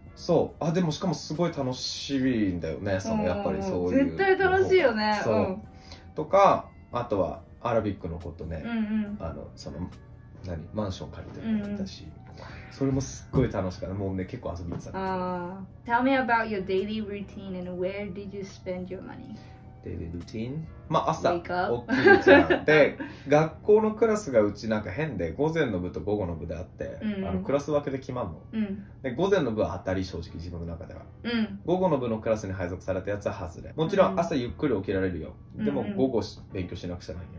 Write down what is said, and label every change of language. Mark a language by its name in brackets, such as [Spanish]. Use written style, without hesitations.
[Japanese] そう、あ、でもしかもすごい楽しいんだよね、そのやっぱりそういう、絶対楽しいよね、そう、うん、とかあとはアラビックの子とね、うんうん、あのその何マンション借りてるのもいたし、うん、それもすっごい楽しかった、もうね結構遊びに行ってた。 [English] Tell me about your daily routine and where did you spend your money? [Japanese] デイリールーティーン、まあ朝起きるじゃんで学校のクラスがうちなんか変で、午前の部と午後の部であって、うん、あのクラス分けで決まんの、うん、で午前の部は当たり、正直自分の中では、うん、午後の部のクラスに配属されたやつは外れ、もちろん朝ゆっくり起きられるよ、うん、でも午後し勉強しなくちゃないよ、